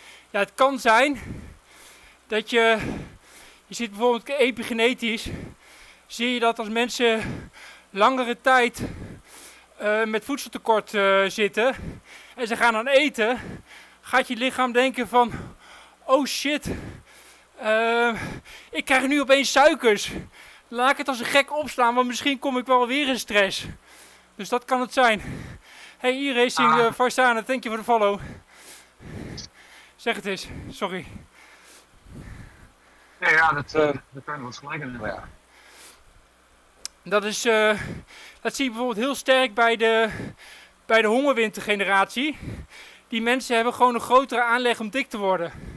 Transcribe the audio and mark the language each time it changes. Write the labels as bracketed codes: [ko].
[nl] Ja, het kan zijn dat je, je ziet bijvoorbeeld epigenetisch, zie je dat als mensen langere tijd met voedseltekort zitten en ze gaan dan eten, gaat je lichaam denken van, oh shit, ik krijg nu opeens suikers. Laat ik het als een gek opslaan, want misschien kom ik wel weer in stress. Dus dat kan het zijn. [en] Hey, e-racing, Farsana, thank you for the follow. [nl] Zeg het eens, sorry. Ja, ja, dat kan wel gelijk in. Ja. Dat is, dat zie je bijvoorbeeld heel sterk bij de hongerwintergeneratie. Die mensen hebben gewoon een grotere aanleg om dik te worden.